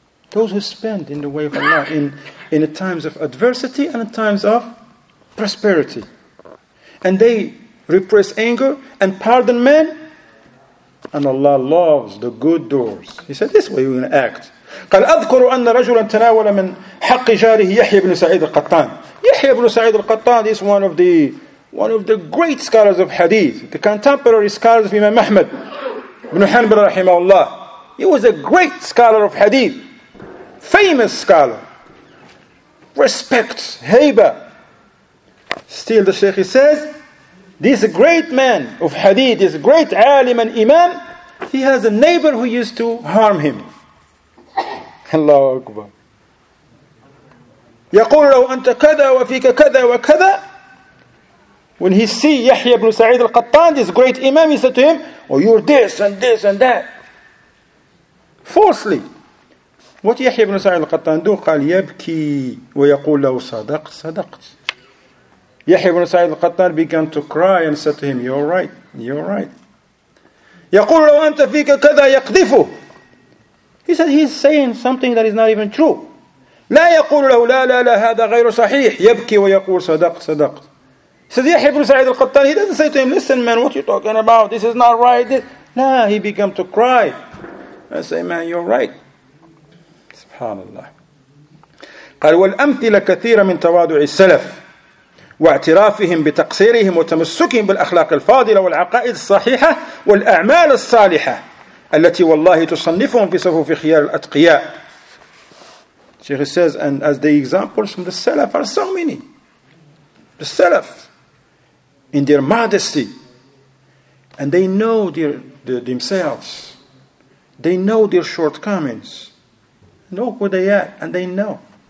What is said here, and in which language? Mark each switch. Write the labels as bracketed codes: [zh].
[en] Those who spend in the way of Allah in the times of adversity and in times of prosperity. And they repress anger and pardon men. And Allah loves the good doors. He said, this way we're going to act. [ar] قال أذكر أن رجلا تناول من حق جاره يحيى بن سعيد القطان. [en] يحيى بن سعيد القطان is one of the great scholars of hadith. The contemporary scholars of Imam Ahmad ibn Hanbal رحمه الله. He was a great scholar of hadith. Famous scholar. Respect. Heiba. Still the Shaykh says, this great man of hadith, this great alim and imam, he has a neighbor who used to harm him. Allahu Akbar. [ar] يقول لو أنت كذا وفيك كذا وكذا. [en] When he see Yahya ibn Sa'id al-Qattan, this great imam, he said to him, oh, you're this and this and that. Falsely. What Yahya ibn Sa'id al-Qattan do? [ar] قال يبكي ويقول لو صدقت صدقت. [en] Yahya ibn Sa'id al-Qattan began to cry and said to him, you're right, you're right. [ar] يقول لو أنت فيك كذا يقذفه. [en] He said, he's saying something that is not even true. [ar] لا يقول له لا لا لا هذا غير صحيح. يبكي ويقول صدقت صدقت. [en] He says, Yahya ibn Sa'id al-Qattan, he doesn't say to him, listen man, what are you talking about? This is not right. No, he began to cry. I say, man, you're right. Subhanallah. [ar] قال والأمثلة كثيرة من تواضع السلف. واعترافهم بتقصيرهم وتمسكهم بالأخلاق الفاضلة والعقائد الصحيحة والأعمال الصالحة التي والله تصنفهم في صفوف خيار الأتقياء. [en] Sheikh says, and as the examples from the Salaf are so many. The Salaf, in their modesty, and they know themselves. They know their shortcomings. Know who they are, and they know.